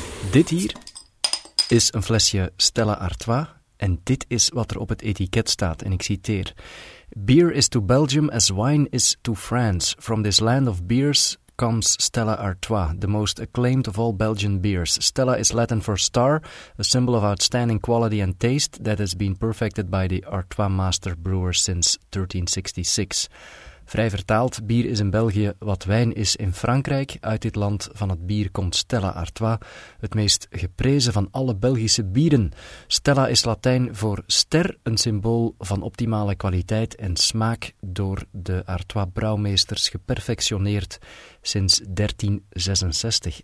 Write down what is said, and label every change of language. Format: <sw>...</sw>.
<nl>Dit hier is een flesje Stella Artois. En dit is wat er op het etiket staat, en ik citeer.</nl> <en>Beer is to Belgium as wine is to France. From this land of beers comes Stella Artois, the most acclaimed of all Belgian beers. Stella is Latin for star, a symbol of outstanding quality and taste that has been perfected by the Artois master brewer since 1366.</en> <nl>Vrij vertaald, bier is in België wat wijn is in Frankrijk. Uit dit land van het bier komt Stella Artois, het meest geprezen van alle Belgische bieren. Stella is Latijn voor ster, een symbool van optimale kwaliteit en smaak, door de Artois-brouwmeesters geperfectioneerd sinds 1366.</nl>